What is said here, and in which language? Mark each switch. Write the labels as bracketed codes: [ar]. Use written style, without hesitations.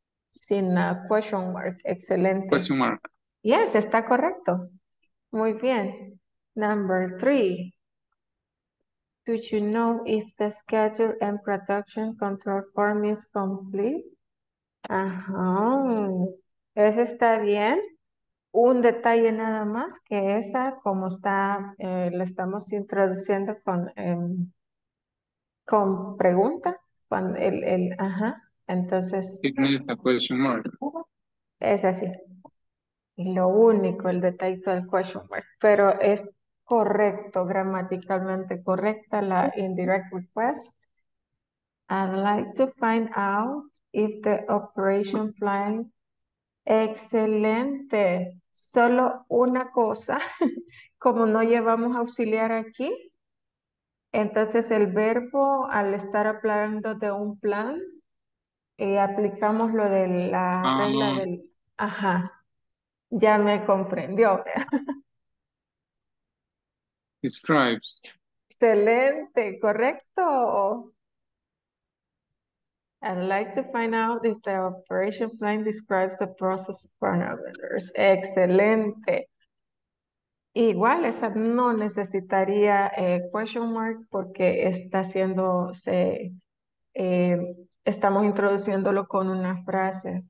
[es] Sin question mark, excelente. [en] Question mark. [es] Yes, está correcto. Muy bien. Number three. [en] Do you know if the schedule and production control form is complete? [es] Ese está bien. Un detalle nada más que esa, como está, la estamos introduciendo con pregunta. Cuando el ajá, entonces. Significa question mark. Es así. Y lo único, el detallito del question mark. Pero es correcto, gramaticalmente correcta la indirect request. [en] I'd like to find out if the operation plan. [es] Excelente. Solo una cosa, como no llevamos auxiliar aquí, entonces el verbo al estar hablando de un plan, aplicamos lo de la regla del... Ajá, ya me comprendió. [en] Describes. [es] Excelente, correcto. [en] I'd like to find out if the operation plan describes the process parameters. [es] Excelente. Igual, esa no necesitaría question mark porque está haciendo, estamos introduciéndolo con una frase.